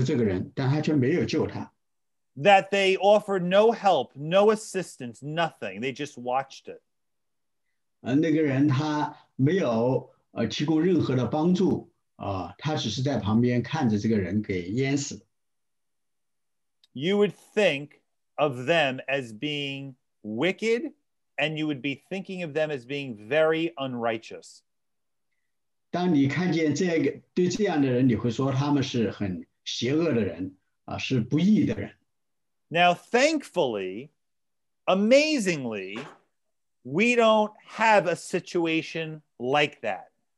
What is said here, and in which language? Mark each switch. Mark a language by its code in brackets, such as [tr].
[zh] 你想想,如果有一个人,他有能力,有力量去拯救这个人,但他却没有救他。 [en] That they offered no help, no assistance, nothing. They just watched it. [zh] 那个人他没有 提供任何的帮助, 他只是在旁边看着这个人给淹死。 [en] You would think of them as being wicked, and you would be thinking of them as being very unrighteous. [zh] 当你看见这个,对这样的人, 你会说他们是很邪恶的人, 是不义的人。 [en] Now, thankfully, amazingly, we don't have a situation like that.